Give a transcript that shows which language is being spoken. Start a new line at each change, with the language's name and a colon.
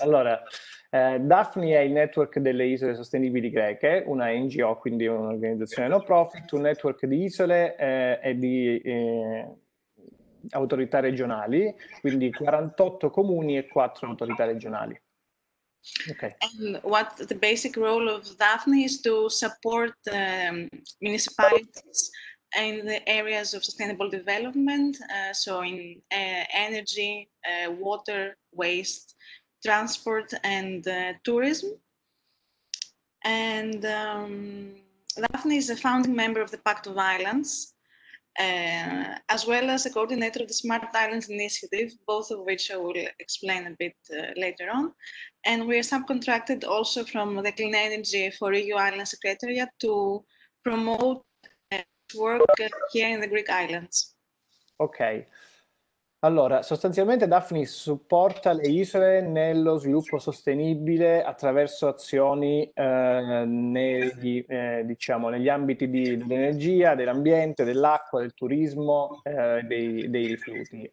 Italian: Allora, Daphne è il network delle isole sostenibili greche, una NGO, quindi un'organizzazione no profit, un network di isole e di autorità regionali, quindi 48 comuni e 4 autorità regionali. Ok.
English: And what the basic role of Daphne is to support municipalities in the areas of sustainable development, so in energy, water, waste, transport, and tourism. And Daphne is a founding member of the Pact of Islands, as well as a coordinator of the Smart Islands Initiative, both of which I will explain a bit later on. And we are subcontracted also from the Clean Energy for EU Island Secretariat to promote work here in the Greek islands. Ok,
Italian: Allora, sostanzialmente Daphnis supporta le isole nello sviluppo sostenibile attraverso azioni diciamo, negli ambiti dell'energia, dell'ambiente, dell'acqua, del turismo, dei rifiuti.